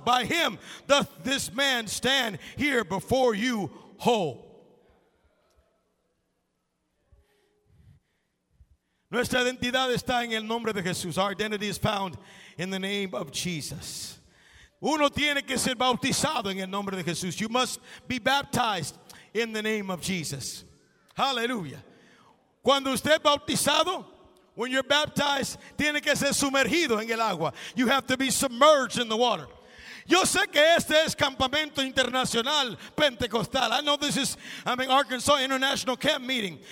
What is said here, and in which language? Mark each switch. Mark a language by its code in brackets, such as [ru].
[en] By him doth this man stand here before you whole. [es] Nuestra identidad está en el nombre de Jesús. [en] Our identity is found in the name of Jesus. [es] Uno tiene que ser bautizado en el nombre de Jesús. [en] You must be baptized in the name of Jesus. Hallelujah. [es] Cuando usted es bautizado, [en] when you're baptized, [es] tiene que ser sumergido en el agua. [en] You have to be submerged in the water. [es] Yo sé que este es campamento internacional pentecostal. [en] I know this is, I mean, Arkansas International Camp Meeting.